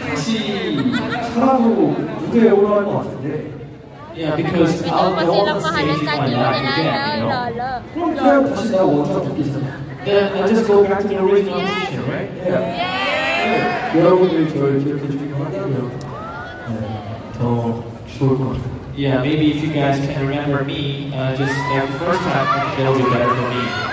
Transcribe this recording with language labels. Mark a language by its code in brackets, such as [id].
[ko] 역시 사람도 무대에 올라갈 것 같은데. [en] Yeah, because I'll go on the stage in my life again, you know. Then I just go back to the original position, right? Yeah. [ko] 여러분들이 저를 기억해 주시면 더 좋을 것 같아요. [en] Yeah, maybe if you guys can remember me just the first time, that'll be better for me.